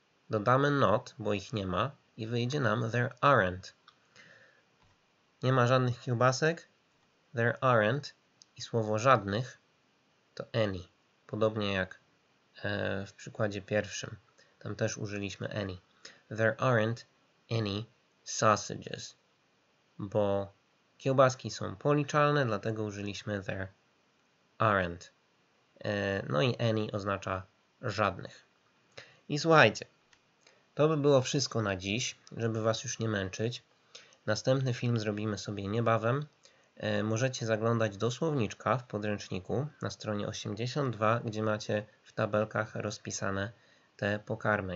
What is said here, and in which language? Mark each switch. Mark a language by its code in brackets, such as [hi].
[pl] Dodamy not, bo ich nie ma i wyjdzie nam [en] there aren't. [pl] Nie ma żadnych kiełbasek? [en] There aren't. [pl] I słowo żadnych to any. Podobnie jak w przykładzie pierwszym. Tam też użyliśmy any. [en] There aren't any sausages. [pl] Bo kiełbaski są policzalne, dlatego użyliśmy [en] there aren't. [pl] No i any oznacza żadnych. I słuchajcie, to by było wszystko na dziś, żeby Was już nie męczyć. Następny film zrobimy sobie niebawem. Możecie zaglądać do słowniczka w podręczniku na stronie 82, gdzie macie w tabelkach rozpisane te pokarmy.